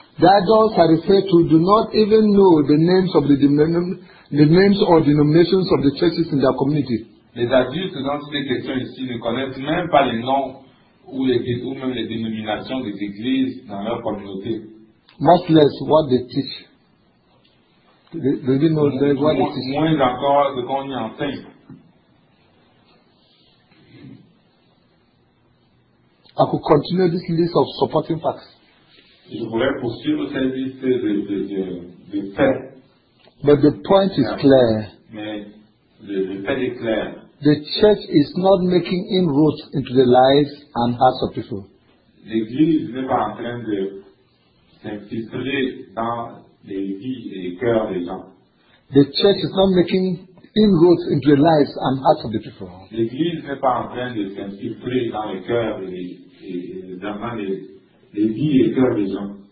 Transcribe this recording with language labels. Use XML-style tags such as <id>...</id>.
<en>The adults I refer to do not even know the names of the names or denominations of the churches in their community.</en> <fr>Les adultes dans ces questions ici ne connaissent même pas les noms ou même les dénominations des églises dans leur communauté.</fr> <en>Much less what they teach. They know less what they teach.</en> <fr>Moins encore de qu'on y enseigne.</fr> <en>I could continue this list of supporting facts.</en> <fr>Je voulais poursuivre cette liste de faits.</fr> <en>But the point is clear.</en> <fr>Mais le fait est clair.</fr> <en>The church is not making inroads into the lives and hearts of people.</en> <fr>L'église n'est pas en train de s'infiltrer dans les vies et les cœurs des gens.</fr> <en>The church is not making inroads into the lives and hearts of the people.</en> <fr>L'église n'est pas en train de s'infiltrer dans les cœurs et dans les vies et les cœurs des gens.</fr>